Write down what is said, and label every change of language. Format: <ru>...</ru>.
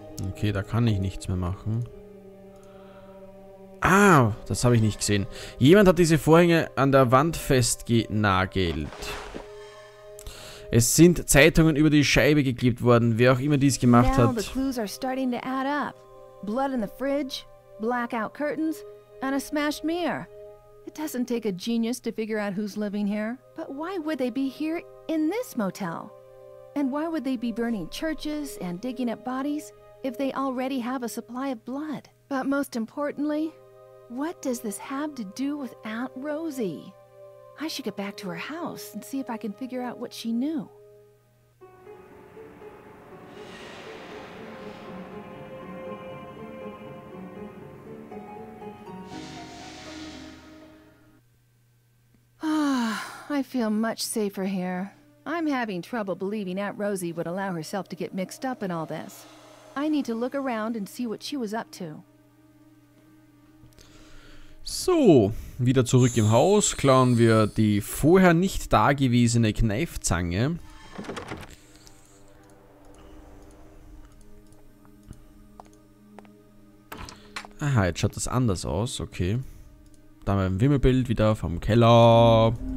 <de>Okay, da kann ich nichts mehr machen. Ah, das habe ich nicht gesehen. Jemand hat diese Vorhänge an der Wand festgenagelt. Es sind Zeitungen über die Scheibe geklebt worden, wer auch immer dies gemacht hat.</de> <en>Now the clues are starting to add up. Blood in the fridge, blackout curtains, and a smashed mirror. It doesn't take a genius to figure out who's living here. But why would they be here in this motel? And why would they be burning churches and digging up bodies if they already have a supply of blood? But most importantly, what does this have to do with Aunt Rosie? I should get back to her house and see if I can figure out what she knew. Ah, I feel much safer here. I'm having trouble believing Aunt Rosie would allow herself to get mixed up in all this. I need to look around and see what she was up to.</en> <de>So, wieder zurück im Haus, klauen wir die vorher nicht dagewesene Kneifzange. Aha, jetzt schaut das anders aus, okay. Da haben wir ein Wimmelbild wieder vom Keller.</de>